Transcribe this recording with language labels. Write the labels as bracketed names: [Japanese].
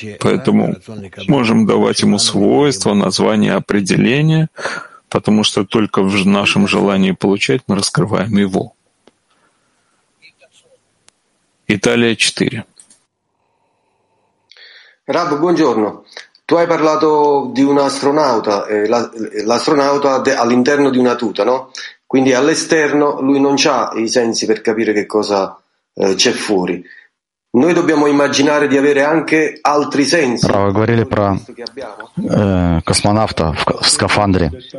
[Russian] Поэтому можем давать ему свойства, названия, определения, потому что только в нашем желании получать мы раскрываем его. Италия 4. [Italian] Rab, buongiorno. Tu hai parlato di un astronauta, l'astronauta all'interno di una tuta, no? Quindi all'esterno lui non c'ha i sensi per capire che cosa c'è fuori. Noi dobbiamo immaginare di avere anche altri sensi. [Russian] Bravo, говорили про космонавта в скафандре.